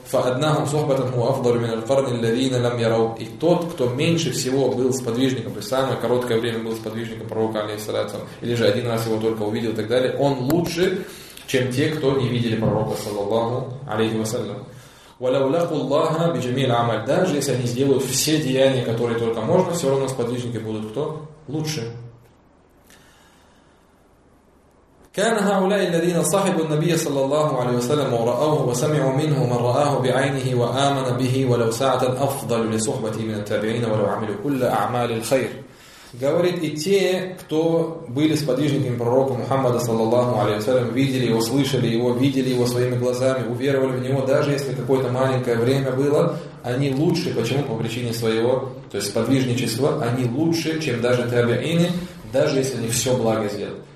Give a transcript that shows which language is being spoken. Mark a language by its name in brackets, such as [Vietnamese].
[Arabic] فَأَدْنَاهُمْ صُحْبَتَهُ أَفْضَرُ مِنَ الْقَرْنِ الَّذِينَ لَمْ يَرَوْا [Russian] И тот, кто меньше всего был сподвижником, то есть самое короткое время был сподвижником пророка, алейхиссалям, или же один раз его только увидел и так далее, он лучше, чем те, кто не видели пророка, саллаллаху алейхи вассалям. [Arabic] وَلَوْ لَقُوا اللَّهَ بِجَمِيلَ عَمَلْ [Russian] Даже если они сделают все деяния, которые только можно, все равно сподвижники будут кто? Лучше. [Arabic] كان هؤلاء الذين صاحبوا النبي صلى الله عليه وسلم ورأوه وسمعوا منه من رآه بعينه وآمن به ولو ساعة أفضل لصحبته من التابعين ولو عملوا كل أعمال الخير. [Russian] Говорит, и те, кто были сподвижниками пророка Мухаммада, саллаллаху алейхи ва саллям, видели его, слышали его, видели его своими глазами, уверовали в него, даже если какое-то маленькое время было, они лучше, почему? По причине своего, то есть сподвижничества, они лучше, чем даже табиины, даже если они все благо сделали.